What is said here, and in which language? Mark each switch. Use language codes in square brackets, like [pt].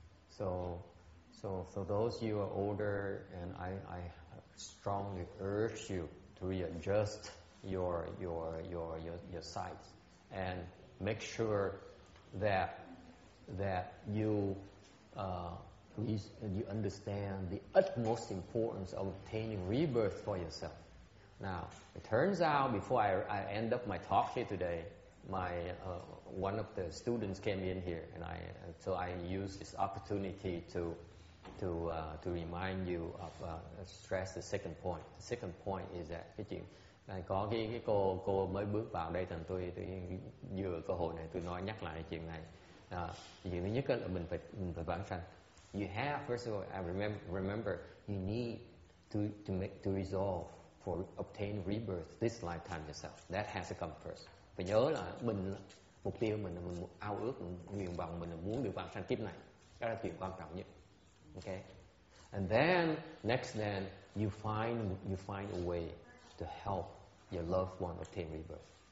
[en] So those you are older, and I strongly urge you to readjust your sights and make sure that you understand the utmost importance of obtaining rebirth for yourself. Now, it turns out before I end up my talk here today, one of the students came in here, and I use this opportunity to remind you of stress the second point. The second point is that [vi] cái chuyện này có cái cô mới bước vào đây, thành tôi vừa cơ hội này tôi nói nhắc lại chuyện này. Chuyện thứ nhất là mình phải vãng sanh. [en] You have, first of all, remember, you need to resolve for obtain rebirth this lifetime yourself. That has to come first. [vi] Phải nhớ là mình mục tiêu mình là mình ao ước nguyện vọng mình là muốn được vào sanh kiếp này, đó là chuyện quan trọng nhất. [en] Okay. And then next then you find a way to help your loved one attain rebirth.